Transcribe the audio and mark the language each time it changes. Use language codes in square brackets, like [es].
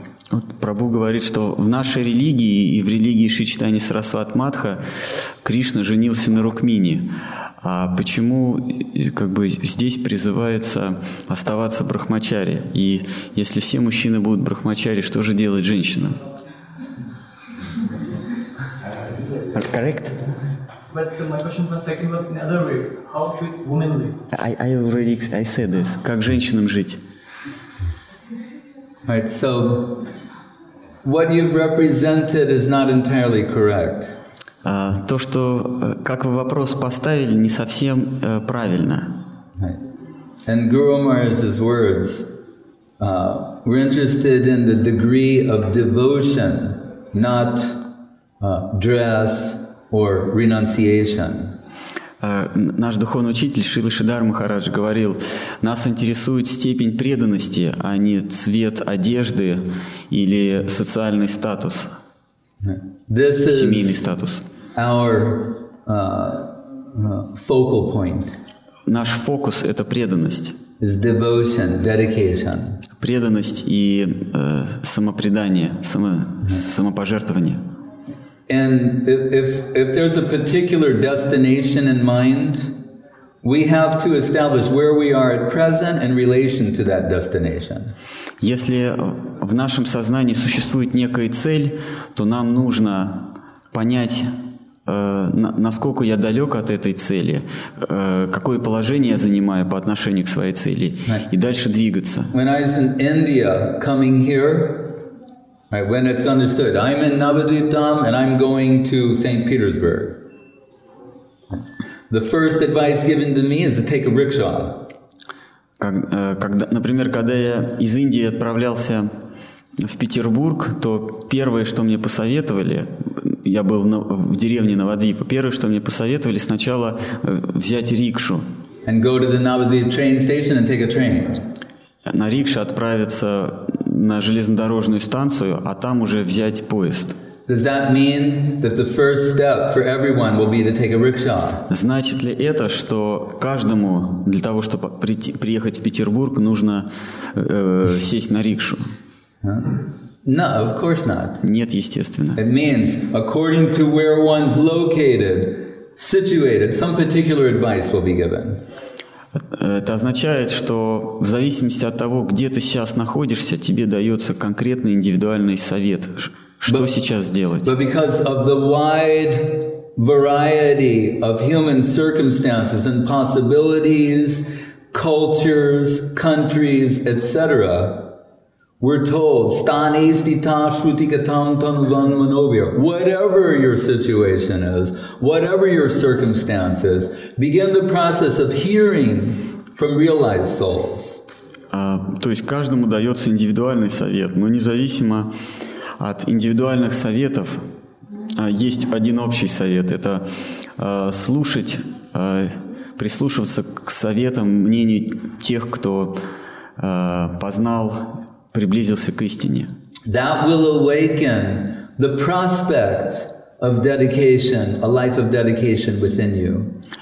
[ru] Вот Прабху говорит, что в нашей религии и в религии Шри Чайтаньи Сарасват Матха Кришна женился на Рукмини. А почему как бы здесь призывается оставаться брахмачари? И если все мужчины будут брахмачари, что же делать женщинам? [en] Correct? But my question was second was in other way. How should women live? I said this. [ru] Как женщинам жить? [en] Right. So what you've represented is not entirely correct. [ru] То, что как вы вопрос поставили, не совсем правильно. [en] Right. And Guru Maharaj's words, we're interested in the degree of devotion, not dress. Or renunciation. [ru] Наш духовный учитель Шрила Шридхар Махарадж говорил, нас интересует степень преданности, а не цвет одежды или социальный статус, [en] this [ru] семейный статус. [en] Our focal point. [ru] Наш фокус – это преданность. [en] Is devotion, dedication. [ru] Преданность и самопредание, самопожертвование. [en] And if there's a particular destination in mind, we have to establish where we are at present in relation to that destination. [ru] Если в нашем сознании существует некая цель, то нам нужно понять, насколько я далек от этой цели, какое положение я занимаю по отношению к своей цели, и дальше двигаться. [en] When I was in India coming here, right, when it's understood, I'm in Navadvip Dham and I'm going to St. Petersburg. The first advice given to me is to take a rickshaw. [ru] Например, когда я из Индии отправлялся в Петербург, то первое, что мне посоветовали, я был в деревне Навадвип, первое, что мне посоветовали, сначала взять рикшу. [en] And go to the Navadvip train station and take a train. [ru] На рикше отправиться на железнодорожную станцию, а там уже взять поезд. [en] Does that mean that the first step for everyone will be to take a rickshaw? [ru] Значит ли это, что каждому для того, чтобы приехать в Петербург, нужно сесть на рикшу? [en] No, of course not. [ru] Нет, естественно. [en] It means according to where one's located, situated, some particular advice will be given. [ru] Это означает, что в зависимости от того, где ты сейчас находишься, тебе дается конкретный индивидуальный совет, что сейчас сделать. [en] But because of the wide variety of human circumstances and possibilities, cultures, countries, etc., we're told, [sa] sthanistita shrutikatam tanuvan manovya. [en] Whatever your situation is, whatever your circumstances, begin the process of hearing from realized souls. [ru] То есть каждому дается индивидуальный совет, но независимо от индивидуальных советов, есть один общий совет. Это слушать, прислушиваться к советам, мнению тех, кто познал, приблизился к истине. [en] That will awaken the prospect of dedication, a life of dedication within you.